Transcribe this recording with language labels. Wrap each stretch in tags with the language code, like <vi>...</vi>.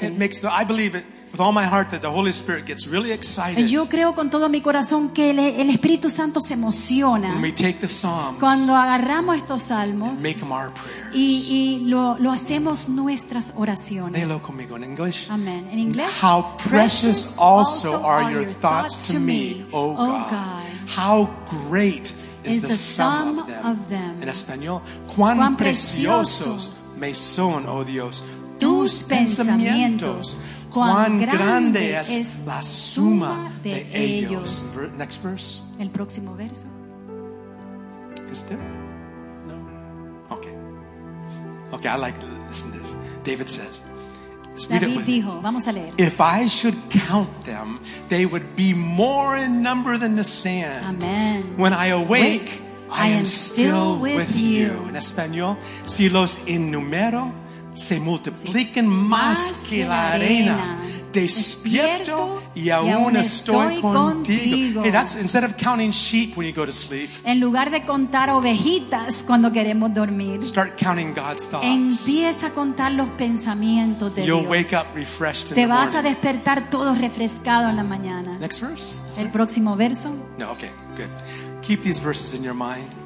<en>Oh, it makes the, I believe it with all my heart that the Holy Spirit gets really excited.</en> <es>Yo creo con todo mi corazón que el Espíritu Santo se emociona.</es> <en>When we take the Psalms.</en> <es>Cuando agarramos estos salmos.</es> <en>And make them our prayers.</en> <es>Y lo hacemos nuestras oraciones. Léelo conmigo en inglés. Amen. En inglés.</es> <en>How precious also are your thoughts to me, O God. How great is the sum of them.</en> <es>En español. Cuán preciosos me son, oh Dios, tus pensamientos. Cuán grande es la suma de ellos.</es> <en>Next verse.</en> <es>El próximo verso.</es> <en>Is there? No. Okay, I like to listen to this. David says.</en> <es>David dijo, vamos a leer.</es> <en>If I should count them, they would be more in number than the sand. Amen. When I awake, I am still with you.</en> <es>En español, si los enumero, se multiplican más que la arena. Despierto y aún estoy contigo.</es> <en>Hey, that's instead of counting sheep when you go to sleep.</en> <es>En lugar de contar ovejitas cuando queremos dormir.</es> <en>Start counting God's thoughts.</en> <es>Empieza a contar los pensamientos de Dios.</es> <en>You'll wake up refreshed in the morning.</en> <es>Te vas a despertar todo refrescado en la mañana.</es> <en>Next verse.</en> <es>El próximo verso.</es> <en>No, okay, good. Keep these verses in your mind.</en>